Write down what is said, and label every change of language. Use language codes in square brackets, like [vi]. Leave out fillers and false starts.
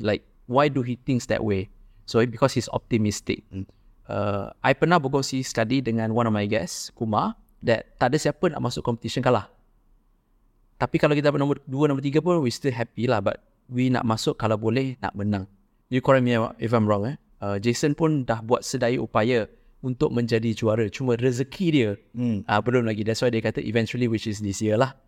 [en] Like, why do he thinks that way? So because he's optimistic. [ms] I pernah berkongsi study dengan [en] one of my guests, [ms] Kumar, that tak ada siapa nak masuk competition kalah. Tapi kalau kita dapat nombor 2, nombor 3 pun, [en] we still happy [ms] lah. But we nak masuk kalau boleh, nak menang. [en] You correct me if I'm wrong. [ms] Jason pun dah buat sedaya upaya untuk menjadi juara. Cuma rezeki dia belum lagi. [en] That's why [ms] dia kata [en] eventually, which is this year lah.